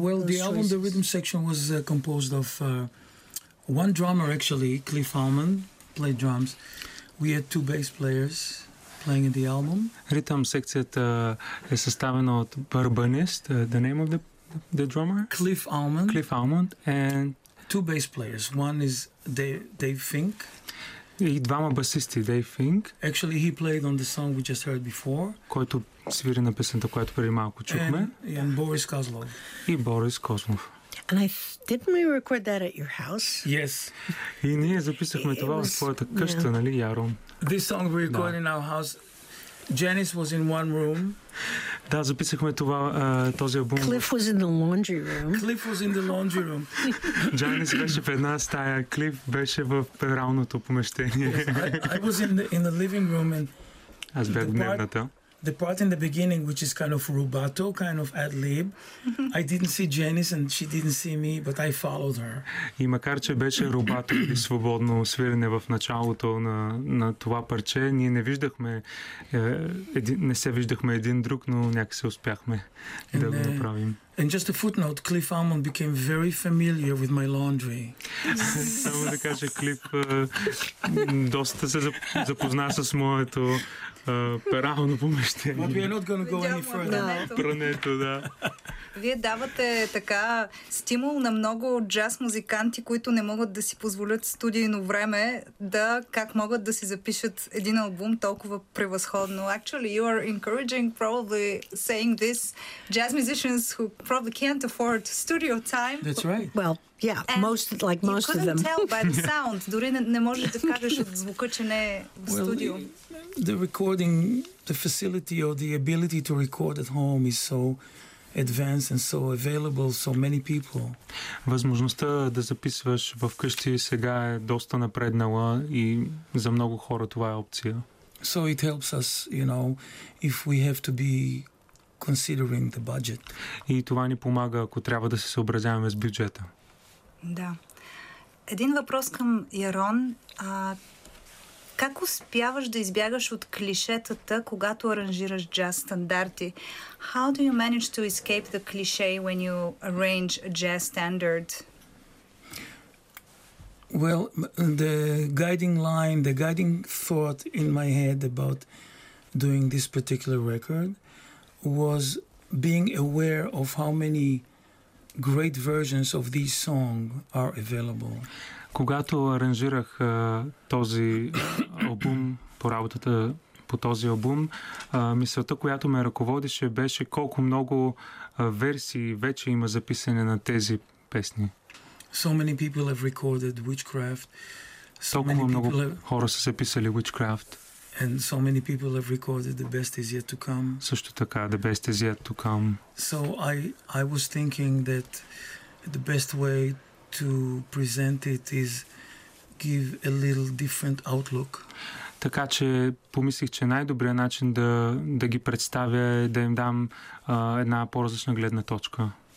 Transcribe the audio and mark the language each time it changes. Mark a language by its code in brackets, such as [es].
[en] The album, the rhythm section was composed of one drummer, actually, Cliff Allman, played drums. We had two bass players playing in the album. [bg] Ритъм секцията е съставена от барабанист. [en] The name of the drummer? Cliff Allman. Cliff Allman. And two bass players. One is Dave Fink. [bg] И двама басисти, Dave Fink. [en] Actually, he played on the song we just heard before. [bg] Който свири на песента, която преди малко чухме. [en] And Boris Kozlov. [bg] И Борис Козлов. [en] And didn't we record that at your house? Yes. [bg] И ние записахме това в твоята къща, нали, Ярон? [en] This song we recorded in our house. Janice was in one room. [bg] Да, записахме това, този албум. [en] Cliff was in the laundry room. Cliff was in the laundry room. [bg] Janice беше в една стая, Cliff беше в пералното помещение. [en] Yes, I was in the living room and [bg] аз бях в дневната. [en] The part in the beginning, which is kind of rubato, kind of ad-lib, I didn't see Janice and she didn't see me, but I followed her. [bg] И макар че беше рубато и свободно свирене в началото на това парче, ние не виждахме, не се виждахме един друг, но някак се успяхме да го направим. [en] And just a footnote, Cliff Allman became very familiar with my laundry. [bg] Само да кажа, Клип доста се запозна с моето перално помещение. [en] But we are not going to go any further. [bg] Прането, да. Вие давате така стимул на много джаз музиканти, които не могат да си позволят студийно време, да как могат да си запишат един албум толкова превъзходно. [en] Actually, you are encouraging, probably saying this, jazz musicians who probably can't afford studio time. That's right. Well, yeah, and most like most of them. You couldn't tell by the sound. [bg] Дори не можеш да кажеш от звука, че не е в студио. [en] The recording, the facility or the ability to record at home is so advanced and so available so many people. [bg] Възможността да записваш вкъщи сега е доста напреднала и за много хора това е опция. [en] So it helps us, you know, if we have to be considering the budget. [bg] И това ни помага, ако трябва да се съобразяваме с бюджета. Да. Един въпрос към Ярон. Как успяваш да избягаш от клишетата, когато аранжираш джаз стандарти? [en] How do you manage to escape the cliché when you arrange a jazz standard? Well, the guiding thought in my head about doing this particular record was being aware of how many great versions of this song are available. [bg] Когато аранжирах този албум, по работата по този албум, мисълта, която ме ръководеше, беше колко много версии вече има записани на тези песни. [en] So many people have recorded witchcraft. [bg] Толкова много хора са записали witchcraft. [en] And so many people have recorded the best is yet to come. [bg] Също така, the best is yet to come. [en] So I was thinking that the best way to present it is give a little different outlook. [bg] Така че помислих, че най-добрият начин да ги представя е да им дам една по-различна гледна точка.